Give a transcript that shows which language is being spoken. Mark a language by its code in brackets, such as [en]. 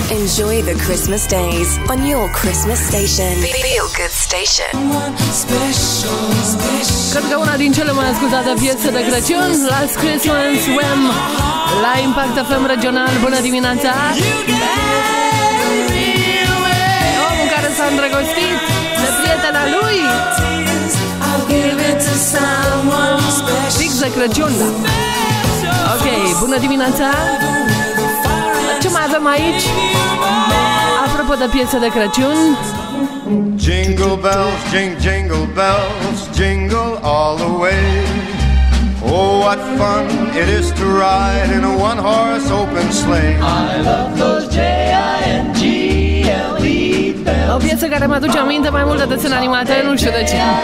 [en] Enjoy the Christmas days on your Christmas station. Feel Good Station. [ro] Cred că una din cele mai ascultate piese de Crăciun, Last Christmas, Wham! La Impact FM regional, bună dimineața! Omul care s-a îndrăgostit de prietena lui! Fix de Crăciun, da! Ok, bună dimineața! Ce mai avem aici? Apropo de piesă de Crăciun. [en] Jingle bells, jingle bells, jingle all the way. Oh, what fun it is to ride in a one-horse open sleigh. I love those J-I-N-G-L-E bells. [ro] O piesă care mă aduce aminte mai mult de desene animate, nu știu de ce.